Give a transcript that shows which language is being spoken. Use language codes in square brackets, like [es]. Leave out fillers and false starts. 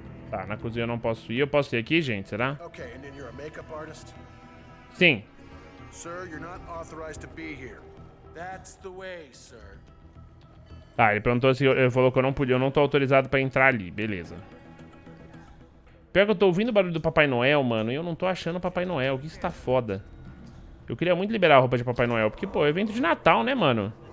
[pt] Tá, na cozinha eu não posso ir. Eu posso ir aqui, gente? Será? [en] Okay, and then you're a makeup artist? [pt] Sim. [en] Sir, you're not authorized to be here. That's the way, sir. [pt] Tá, ele perguntou se... Ele falou que eu não podia. Eu não tô autorizado pra entrar ali. Beleza. Pior que eu tô ouvindo o barulho do Papai Noel, mano, e eu não tô achando o Papai Noel, que isso tá foda. Eu queria muito liberar a roupa de Papai Noel, porque, pô, é evento de Natal, né, mano?